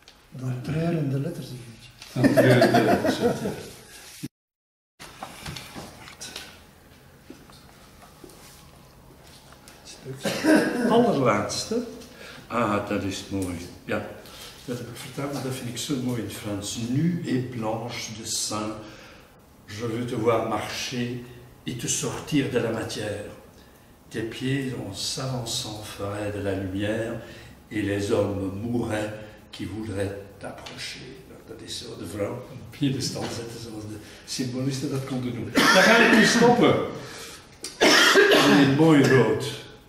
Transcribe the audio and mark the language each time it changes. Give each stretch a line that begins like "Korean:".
Dutch: Dan treuren de letters een beetje. Dan treuren de letters, allerlaatste. Ah, dat is mooi. Ja, dat heb ik verteld, maar dat vind ik zo mooi in het Frans.
French: Nu et blanche de sein, je veux te voir marcher. Et te sortir de la matière. Tes pieds en s'avançant feraient de la lumière, et les hommes mourraient qui voudraient t'approcher.
Dutch: Dat is zo, de vrouw op een piedestal zetten, zoals de symbolisten dat konden doen. Dan ga ik nu stoppen. Dat is een mooi rood.